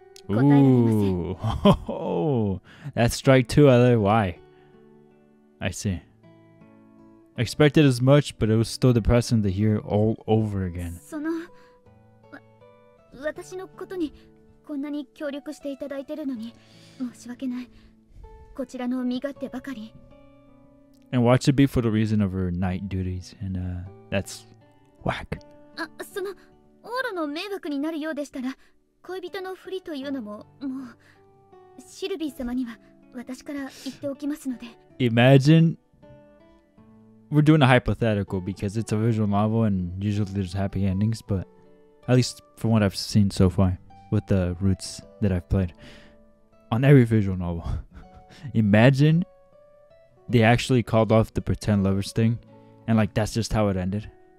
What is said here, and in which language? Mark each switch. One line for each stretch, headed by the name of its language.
English: Ooh, that's strike two. I love it. Why? I see. I expected as much, but it was still depressing to hear all over again.
Japanese: その、私のことにこんなに協力していただいてるのに申し訳ない。こちらの身勝手ばかり。
English: And watch it be for the reason of her night duties, and that's whack.
Japanese: あ、その、オーロの迷惑になるようでしたら。恋人のふりというのももうシルビー様には私から言っておきますので。
English: Imagine we're doing a hypothetical because it's a visual novel and usually there's happy endings, but at least from what I've seen so far with the roots that I've played on every visual novel, imagine they actually called off the pretend lovers thing and like that's just how it ended.